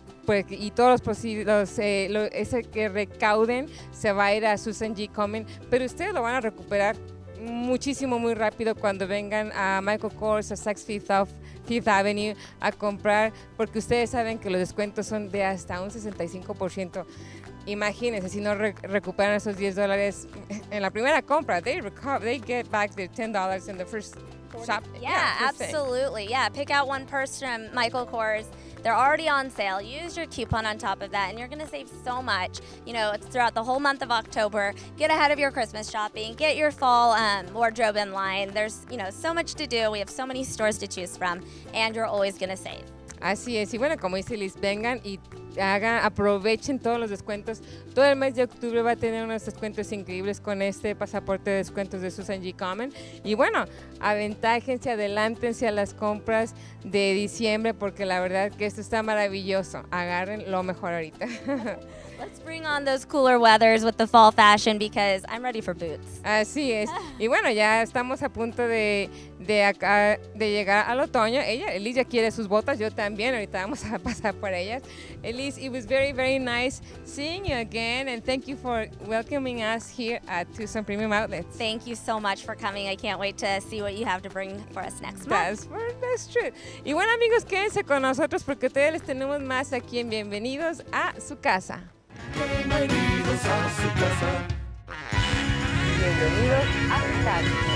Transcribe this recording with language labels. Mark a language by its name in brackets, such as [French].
[Spanish] pues, y todos los posibles, lo, ese que recauden se va a ir a Susan G. Komen, pero ustedes lo van a recuperar muchísimo, muy rápido cuando vengan a Michael Kors, a Saks Fifth Avenue a comprar, porque ustedes saben que los descuentos son de hasta un 65%. Imagínense si no recuperan esos $10 en la primera compra. [English] They recover, they get back their $10 in the first shop. Yeah, absolutely. Yeah, pick out one purse from Michael Kors. They're already on sale. Use your coupon on top of that, and you're going to save so much. You know, it's throughout the whole month of October. Get ahead of your Christmas shopping. Get your fall wardrobe in line. There's, you know, so much to do. We have so many stores to choose from, and you're always going to save. [Spanish] Así es. Y bueno, como dice Liz, vengan y hagan, aprovechen todos los descuentos. Todo el mes de octubre va a tener unos descuentos increíbles con este pasaporte de descuentos de Susan G. Komen. Y bueno, aventájense, adelántense a las compras de diciembre, porque la verdad que esto está maravilloso. Agarren lo mejor ahorita. [English] Let's bring on those cooler weathers with the fall fashion, because I'm ready for boots. [Spanish] Así es. Y bueno, ya estamos a punto de llegar al otoño. Ella, Liz, ya quiere sus botas, yo también. Ahorita vamos a pasar por ellas. [English] Liz, it was very, very nice seeing you again, and thank you for welcoming us here at Tucson Premium Outlets. Thank you so much for coming. I can't wait to see what you have to bring for us next month. That's true. [Spanish] Y bueno, amigos, quédense con nosotros, porque todavía les tenemos más aquí en Bienvenidos a su casa. Bienvenidos a su casa. Bienvenidos a su casa.